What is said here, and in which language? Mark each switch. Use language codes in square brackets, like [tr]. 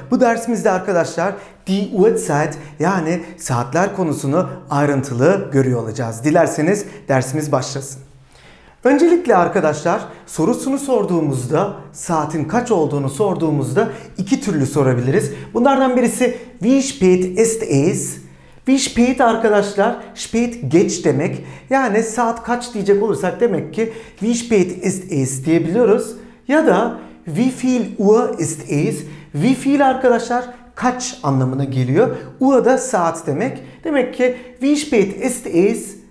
[tr] Bu dersimizde arkadaşlar [de] die Uhrzeit, [tr] yani saatler konusunu ayrıntılı görüyor olacağız. Dilerseniz dersimiz başlasın. Öncelikle arkadaşlar sorusunu sorduğumuzda, saatin kaç olduğunu sorduğumuzda iki türlü sorabiliriz. Bunlardan birisi [de] wie spät ist es? Wie spät [tr] arkadaşlar, spät geç demek. Yani saat kaç diyecek olursak demek ki [de] wie spät ist es [tr] diyebiliyoruz. Ya da [de] wie viel Uhr ist es? Wie viel [tr] arkadaşlar kaç anlamına geliyor. Uhr da saat demek. Demek ki [de] wie spät ist es?